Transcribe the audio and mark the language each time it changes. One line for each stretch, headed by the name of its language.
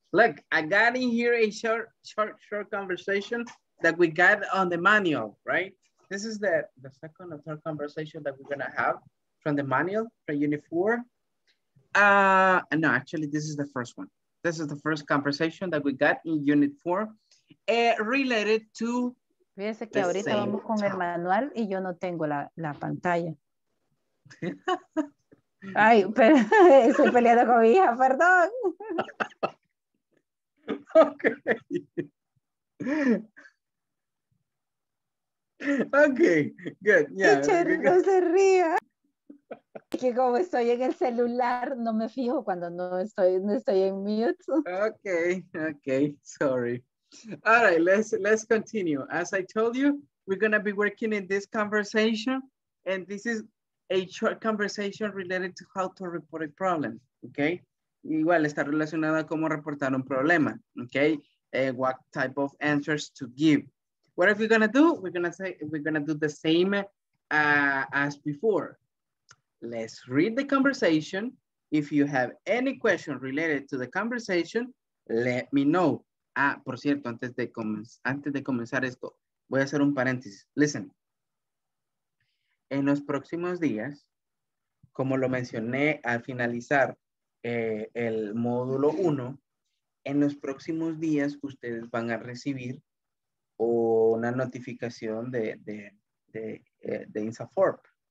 English: Look, I got in here a short conversation that we got on the manual, right? This is the second or third conversation that we're gonna have from the manual for Unit 4. No, actually, this is the first one. This is the first conversation that we got in Unit 4 related to.
Spanish: Fíjense que ahorita vamos con el manual y yo no tengo la pantalla. Ay, pero estoy peleando con mi hija, perdón.
English: Okay. Okay, good. Yeah.
Spanish: Teacher, no se ría. Que como estoy en el celular, no me fijo cuando no estoy en mute.
English: Okay, sorry. All right, let's continue. As I told you, we're gonna be working in this conversation, and this is a short conversation related to how to report a problem.
Spanish: Okay, igual está relacionada a cómo reportar un problema.
English: Okay, what type of answers to give. What are we gonna do? We're gonna do the same as before. Let's read the conversation. If you have any question related to the conversation, let me know.
Spanish: Ah, por cierto, antes de comenzar esto, voy a hacer un paréntesis.
English: Listen.
Spanish: En los próximos días, como lo mencioné al finalizar el módulo 1, en los próximos días ustedes van a recibir una notificación de INSAFORP.